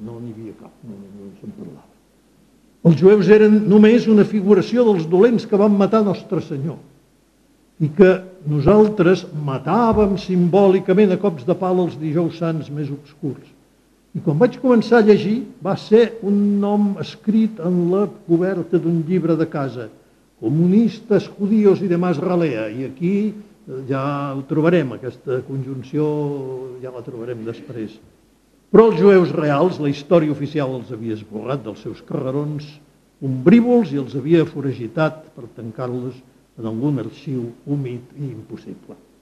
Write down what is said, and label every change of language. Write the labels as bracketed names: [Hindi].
[Catalan] No n'hi havia cap, no se'n parlava. Els jueus eren només una figuració dels dolents que van matar Nostre Senyor. I que nosaltres matàvem simbòlicament a cops de pal els dijous sants més obscurs. I quan vaig començar a llegir, va ser un nom escrit en la coberta d'un llibre de casa. Comunistes, [Spanish] judíos i demás ralea. [Catalan] I aquí ja ho trobarem, aquesta conjunció ja la trobarem després. Però els jueus reals, la història oficial els havia esborrat dels seus carrerons ombrívols i els havia foragitat per tancar-los en algun arxiu humit i impossible.